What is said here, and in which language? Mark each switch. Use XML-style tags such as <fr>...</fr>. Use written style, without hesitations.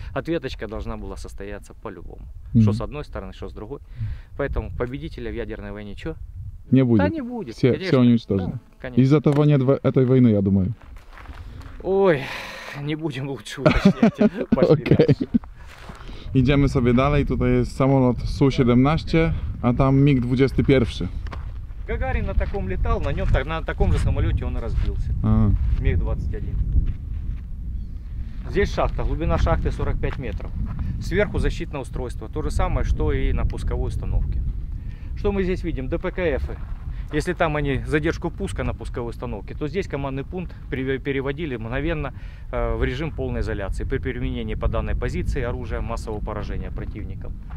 <ru>Ответочка должна была состояться по-любому. Mm-hmm. Что с одной стороны, что с другой. Поэтому победителя в ядерной войне что? Не будет. Да не будет. Все уничтожено. Да, из-за того нет этой войны, я думаю. Ой, не будем лучше уточнять. Окей.</ru> <pl>Idziemy sobie dalej, tutaj jest samolot Su-17, a tam MiG-21. Gagarin na takim latał, na nim, na takim же samolocie on rozbił się. MiG-21.</pl> <ru>Здесь шахта, глубина шахты 45 метров. Сверху защитное устройство, то же самое, что и на пусковой установке. Что мы здесь видим? ДПКФы. Если там они задержку пуска на пусковой установке, то здесь командный пункт переводили мгновенно в режим полной изоляции при применении по данной позиции оружия массового поражения противникам.</ru>